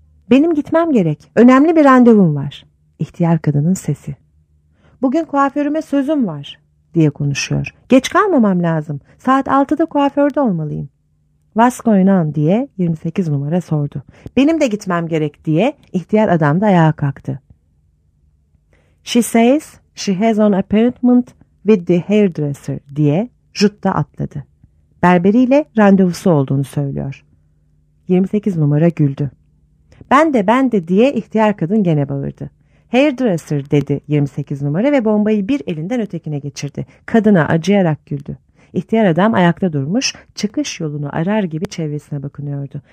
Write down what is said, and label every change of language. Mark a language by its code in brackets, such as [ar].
[tr] Benim gitmem gerek. Önemli bir randevum var. İhtiyar kadının sesi. Bugün kuaförüme sözüm var, diye konuşuyor. Geç kalmamam lazım. Saat 6'da kuaförde olmalıyım. [en] What's going on, [tr] diye 28 numara sordu. Benim de gitmem gerek, diye ihtiyar adam da ayağa kalktı. [en] She says she has an appointment with the hairdresser, [tr] diye Jut da atladı. Berberiyle randevusu olduğunu söylüyor. 28 numara güldü. Ben de diye ihtiyar kadın gene bağırdı. Hairdresser, dedi 28 numara ve bombayı bir elinden ötekine geçirdi. Kadına acıyarak güldü. İhtiyar adam ayakta durmuş, çıkış yolunu arar gibi çevresine bakınıyordu.